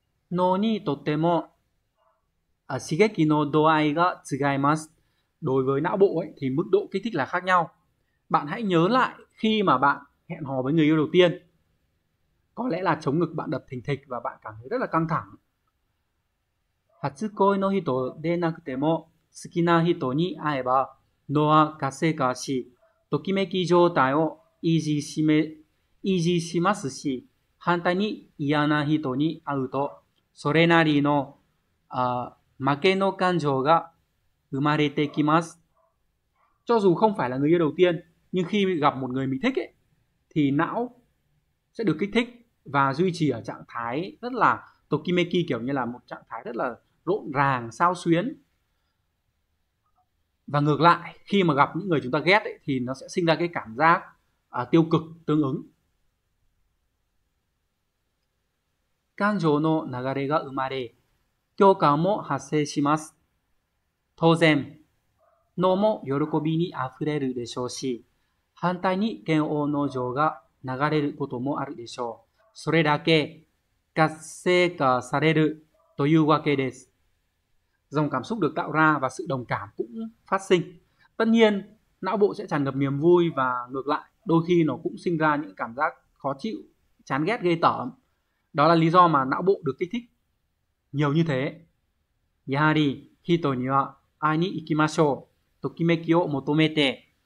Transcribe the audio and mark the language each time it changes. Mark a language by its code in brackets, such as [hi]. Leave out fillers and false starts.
[ja] Nó ni tô tê mô à, shigeki no doai ga tsugaimasu. [vi] Đối với não bộ ấy, thì mức độ kích thích là khác nhau. Bạn hãy nhớ lại khi mà bạn hẹn hò với người yêu đầu tiên. Có lẽ là chống ngực bạn đập thình thịch và bạn cảm thấy rất là căng thẳng. [ja] 初恋の人でなくても好きな人に会えば脳は活性化し、ときめき状態を維持しますし、反対に嫌な人に会うと、それなりの、負けの感情が生まれてきます。 [vi] Cho dù không phải là người yêu đầu tiên, nhưng khi gặp một người mình thích ấy, thì não sẽ được kích thích và duy trì ở trạng thái rất là tokimeki, kiểu như là một trạng thái rất là rộn ràng, xao xuyến. Và ngược lại, khi mà gặp những người chúng ta ghét ấy, thì nó sẽ sinh ra cái cảm giác tiêu cực tương ứng. Cảm xúc [ja] の流れが生まれ、共感も発生します。当然、脳も喜びにあふれるでしょうし、反対に嫌悪の情が流れることもあるでしょう。それだけ活性化されるというわけです。 [vi] Dòng cảm xúc được tạo ra và sự đồng cảm cũng phát sinh. Tất nhiên, não bộ sẽ tràn ngập niềm vui và ngược lại, đôi khi nó cũng sinh ra những cảm giác khó chịu, chán ghét, ghê tởm. Đó là lý do mà não bộ được kích thích nhiều như thế. [ja] Yahari, hito ni wa ai ni ikimashou, tokimeki o motomete.